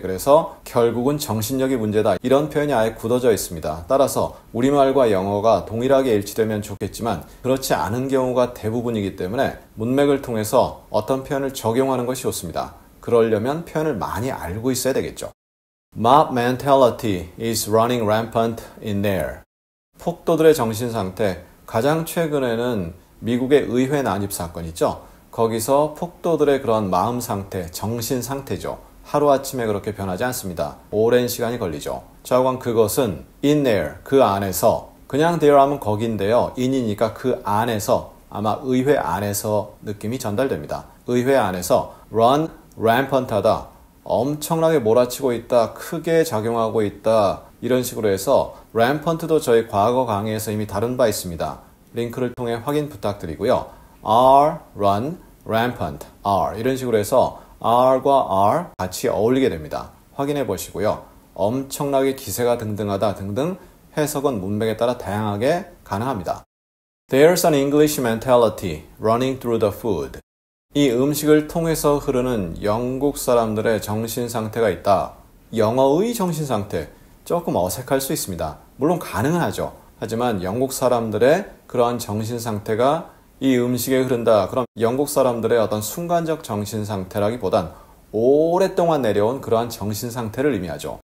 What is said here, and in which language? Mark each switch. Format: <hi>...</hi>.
<ko>그래서 결국은 정신력이 문제다. 이런 표현이 아예 굳어져 있습니다. 따라서 우리말과 영어가 동일하게 일치되면 좋겠지만, 그렇지 않은 경우가 대부분이기 때문에 문맥을 통해서 어떤 표현을 적용하는 것이 좋습니다. 그러려면 표현을 많이 알고 있어야 되겠죠.</ko> <en>Mob mentality is running rampant in there.</en> <ko>폭도들의 정신 상태. 가장 최근에는 미국의 의회 난입 사건 있죠? 거기서 폭도들의 그런 마음 상태, 정신 상태죠. 하루아침에 그렇게 변하지 않습니다. 오랜 시간이 걸리죠. 좌우간 그것은 in there, 그 안에서. 그냥 there 하면 거긴데요. in이니까 그 안에서. 아마 의회 안에서 느낌이 전달됩니다. 의회 안에서 run rampant 하다. 엄청나게 몰아치고 있다, 크게 작용하고 있다, 이런 식으로 해서 램펀트도 저희 과거 강의에서 이미 다룬 바 있습니다. 링크를 통해 확인 부탁드리고요. R, run, rampant, R 이런 식으로 해서 R과 R 같이 어울리게 됩니다. 확인해 보시고요. 엄청나게 기세가 등등하다 등등 해석은 문맥에 따라 다양하게 가능합니다.</ko> <en>There's an English mentality running through the food.</en> <ko>이 음식을 통해서 흐르는 영국 사람들의 정신 상태가 있다. 영어의 정신 상태. 조금 어색할 수 있습니다. 물론 가능하죠. 하지만 영국 사람들의 그러한 정신 상태가 이 음식에 흐른다. 그럼 영국 사람들의 어떤 순간적 정신 상태라기보단 오랫동안 내려온 그러한 정신 상태를 의미하죠.</ko>